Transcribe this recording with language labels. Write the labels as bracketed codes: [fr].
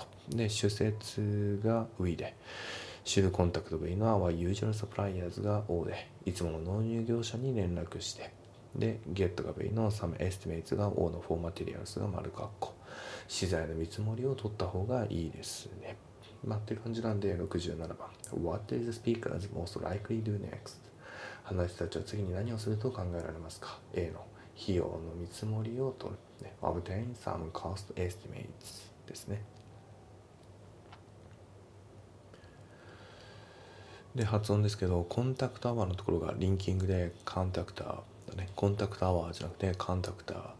[ja] で、主節が v で。シルコンタクト V の A は Usual Suppliers が O で、いつもの納入業者に連絡して、で、Get が V の Some Estimates が O の For Materials が丸括弧。資材の見積もりを取った方がいいですね。まあ、って感じなんで67番。 [en] What is the speakers most likely do next? [ja] 話したちは次に何をすると考えられますか ?A の費用の見積もりを取る。 [en] ね、Obtain some cost estimates [ja] ですね。で発音ですけど、コンタクトアワーのところがリンキングでカンタクターだね。コンタクトアワーじゃなくてカンタクター